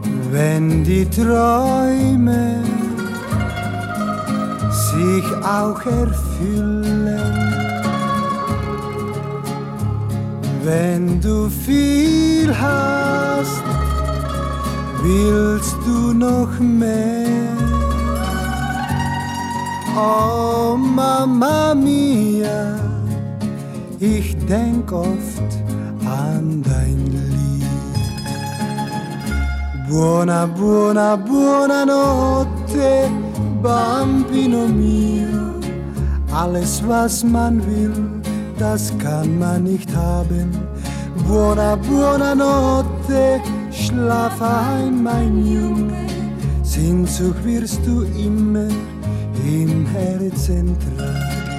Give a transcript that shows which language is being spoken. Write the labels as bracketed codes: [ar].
[de] Wenn die Träume sich auch erfüllen, wenn du viel hast, willst du noch mehr? Oh Mama mia, ich denk oft an dein Lied. [it] Buona, buona, buonanotte, bambino mio. [de] Alles was man will, das kann man nicht haben. [it] Buona, buonanotte, [de] schlaf ein, mein Junge. Sehnsucht wirst du immer im Herzen tragen.